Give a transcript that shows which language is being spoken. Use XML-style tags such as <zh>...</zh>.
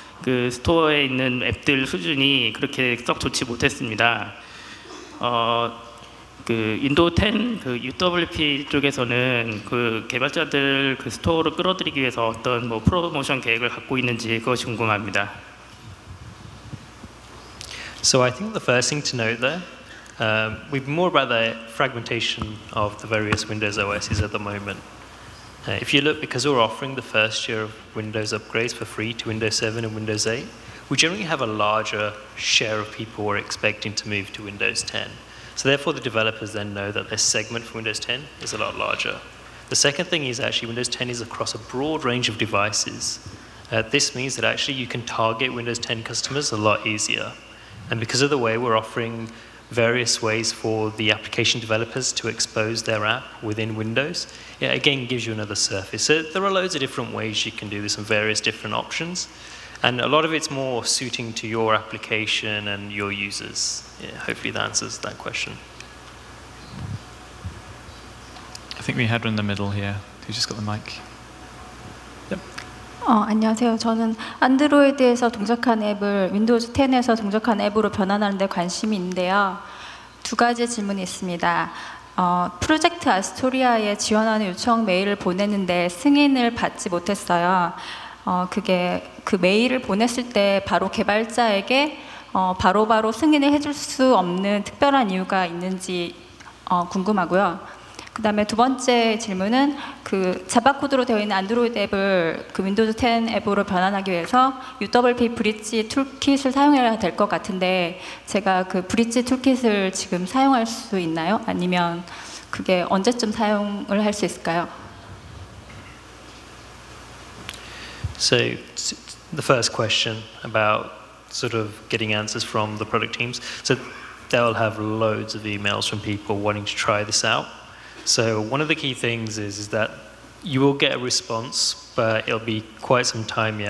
<ko>그 스토어에 있는 앱들 수준이 그렇게 썩 좋지 못했습니다. 그 윈도우 10 그 UWP 쪽에서는 그 개발자들 그 스토어로 끌어들이기 위해서 어떤 뭐 프로모션 계획을 갖고 있는지 그것이 궁금합니다.</ko> <en>So I think the first thing to note there, we've more about the fragmentation of the various Windows OSs at the moment. If you look, because we're offering the first year of Windows upgrades for free to Windows 7 and Windows 8, we generally have a larger share of people who are expecting to move to Windows 10. So therefore, the developers then know that their segment for Windows 10 is a lot larger. The second thing is actually Windows 10 is across a broad range of devices. This means that actually you can target Windows 10 customers a lot easier. And because of the way we're offering various ways for the application developers to expose their app within Windows, it again gives you another surface. So there are loads of different ways you can do this and various different options. And a lot of it's more suiting to your application and your users. Yeah, hopefully that answers that question. I think we had one in the middle here. Who just got the mic?</en> <ko>Yep. 안녕하세요. 저는 안드로이드에서 동작한 앱을 윈도우즈 10에서 동작한 앱으로 변환하는 데 관심이 있는데요. 두 가지 질문이 있습니다. 프로젝트 아스토리아에 지원하는 요청 메일을 보냈는데 승인을 받지 못했어요. 그게 그 메일을 보냈을 때 바로 개발자에게 바로 승인을 해줄 수 없는 특별한 이유가 있는지 궁금하고요. 그 다음에 두 번째 질문은 그 자바코드로 되어 있는 안드로이드 앱을 그 윈도우즈 10 앱으로 변환하기 위해서 UWP 브릿지 툴킷을 사용해야 될 것 같은데 제가 그 브릿지 툴킷을 지금 사용할 수 있나요? 아니면 그게 언제쯤 사용을 할 수 있을까요?</ko> <en>So the first question about sort of getting answers from the product teams. So they'll have loads of emails from people wanting to try this out. So one of the key things is that you will get a response, but it'll be quite some time yet.</en>